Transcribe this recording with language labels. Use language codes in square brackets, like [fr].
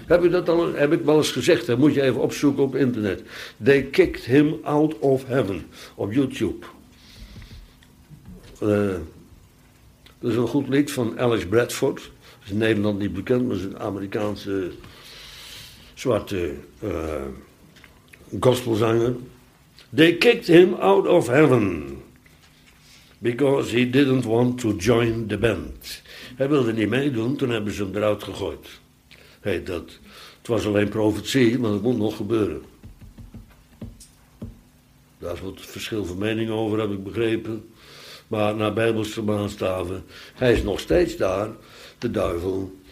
[nl] Heb je dat al, heb ik wel eens gezegd, dat moet je even opzoeken op internet. [en] They kicked him out of heaven, [nl] op YouTube. Dat is een goed lied van Alex Bradford. Dat is in Nederland niet bekend, maar is een Amerikaanse zwarte gospelzanger. [en] They kicked him out of heaven, because he didn't want to join the band. [nl] Hij wilde niet meedoen, toen hebben ze hem eruit gegooid. Heet dat. Het was alleen profetie, maar het moet nog gebeuren. Daar is wat verschil van mening over, heb ik begrepen. Maar naar Bijbelse maatstaven, hij is nog steeds daar, de duivel.